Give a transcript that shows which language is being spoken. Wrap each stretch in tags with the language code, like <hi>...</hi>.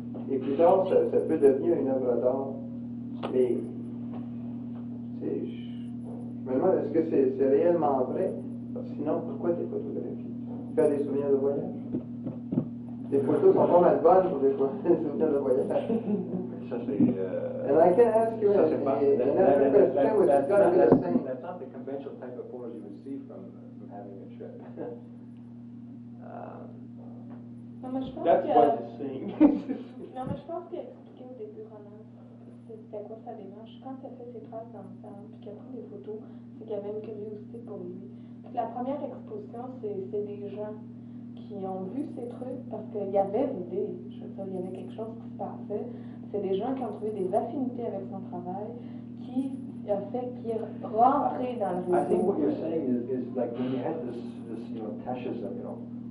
<fr>Et plus tard, ça peut devenir une œuvre d'art. Mais je me demande, est-ce que c'est réellement vrai? Parce que sinon, pourquoi tes photographies? Faire des souvenirs de voyage? Les photos sont pas mal bonnes pour des souvenirs de voyage.</fr> <en>And I can ask you that's not the conventional type of photos you would see from having a trip. That's what it's saying.</en> <fr>Non, mais je pense qu'il a expliqué au début, Ronald, c'était à quoi sa démarche. Quand il a fait ses traces dans le sable, puis qu'il a pris des photos, c'est qu'il y avait une curiosité pour lui. Puis la première exposition, c'est des gens qui ont vu ces trucs parce qu'il y avait l'idée. Je veux dire, il y avait quelque chose qui se passait. C'est des gens qui ont trouvé des affinités avec son travail qui a fait qu'il est rentré dans le</fr> <en>musée. I think what you're saying is like when you had this, you know, tachism, you know.</en>